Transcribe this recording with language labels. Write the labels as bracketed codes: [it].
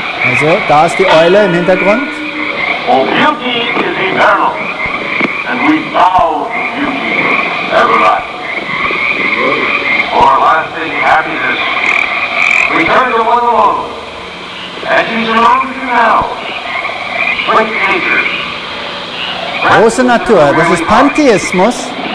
[de] Also, da ist die Eule im Hintergrund. [en] Beauty is eternal, and we bow to beauty everlasting. For our lasting happiness, we turn to one alone, as you surround you now, with nature. [de] Große Natur, das ist Pantheismus.